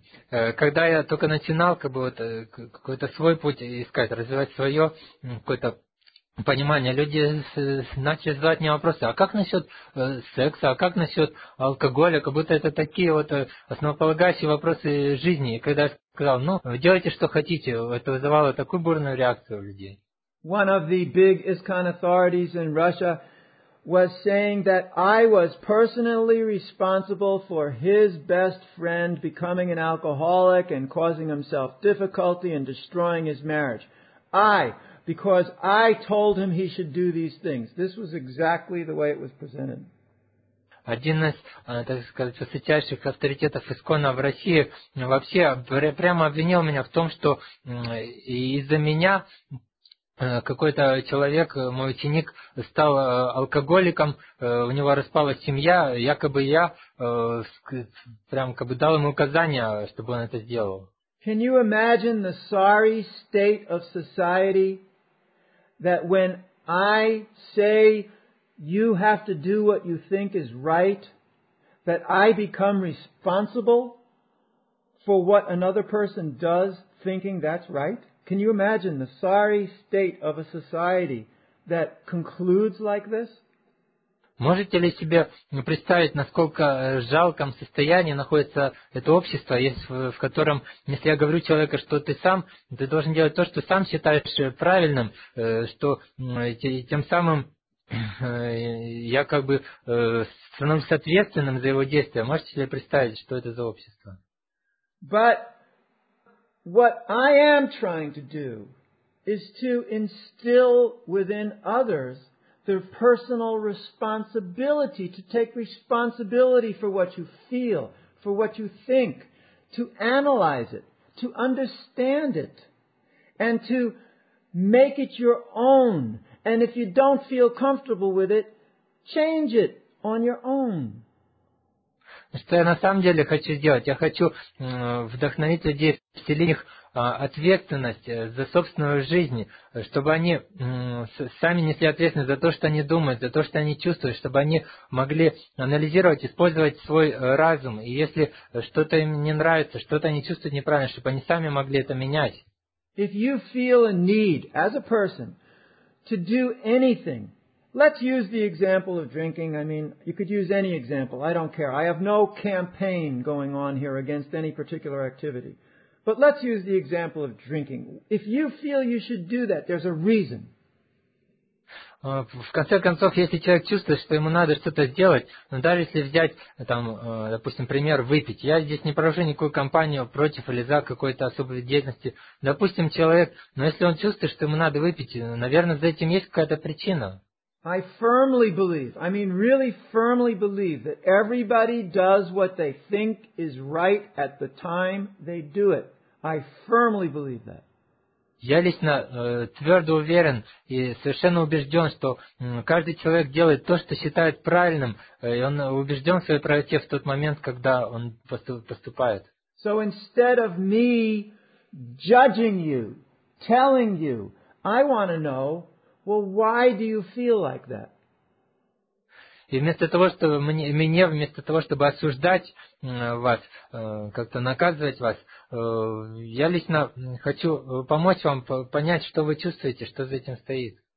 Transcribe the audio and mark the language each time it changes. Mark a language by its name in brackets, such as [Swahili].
[Russian] Когда я только начинал как бы вот какой-то свой путь искать, развивать свое какое-то понимание, люди начали задавать мне вопросы, а как насчет секса, а как насчет алкоголя, как будто это такие вот основополагающие вопросы жизни. И когда я сказал, ну, делайте, что хотите, это вызывало такую бурную реакцию у людей. [English] One of the big ISKCON authorities in Russia was saying that I was personally responsible for his best friend becoming an alcoholic and causing himself difficulty and destroying his marriage. Because I told him he should do these things. This was exactly the way it was presented. [Russian] Один из, так сказать, высочайших авторитетов ИСКОНа в России вообще прямо обвинил меня в том, что из-за меня какой-то человек, мой ученик, стал алкоголиком, у него распалась семья, якобы я прям как бы дал ему указания, чтобы он это сделал. [English] Can you imagine the sorry state of society that when I say you have to do what you think is right, that I become responsible for what another person does thinking that's right? Can you imagine the sorry state of a society that concludes like this? [Russian] Можете ли себе представить, насколько жалком состоянии находится это общество, в котором, если я говорю человеку, что ты сам, ты должен делать то, что сам считаешь правильным, что тем самым я как бы становлюсь ответственным за его действия. Можете ли представить, что это за общество? [English] But what I am trying to do is to instill within others their personal responsibility, to take responsibility for what you feel, for what you think, to analyze it, to understand it, and to make it your own. And if you don't feel comfortable with it, change it on your own. [Russian] Что я на самом деле хочу сделать? Я хочу вдохновить людей, вселить их ответственность за собственную жизнь, чтобы они сами несли ответственность за то, что они думают, за то, что они чувствуют, чтобы они могли анализировать, использовать свой разум. И если что-то им не нравится, что-то они чувствуют неправильно, чтобы они сами могли это менять. [English] If you feel a need as a person to do anything, let's use the example of drinking. I mean, you could use any example. I don't care. I have no campaign going on here against any particular activity. But let's use the example of drinking. If you feel you should do that, there's a reason. [Russian] В конце концов, если человек чувствует, что ему надо что-то сделать, но даже если взять, там, допустим, пример выпить, я здесь не провожу никакую кампанию против или за какой-то особой деятельности. Допустим, человек, но если он чувствует, что ему надо выпить, наверное, за этим есть какая-то причина. [English] I firmly believe, I mean really firmly believe, that everybody does what they think is right at the time they do it. I firmly believe that. [Russian] Я лично твердо уверен и совершенно убежден, что каждый человек делает то, что считает правильным, и он убежден в своей правоте в тот момент, когда он поступает. [English] So instead of me judging you, telling you, I want to know, well, why do you feel like that? [Russian] И вместо того, чтобы мне, вместо того, чтобы осуждать вас, как-то наказывать вас, я лично хочу помочь вам понять, что вы чувствуете, что за этим стоит.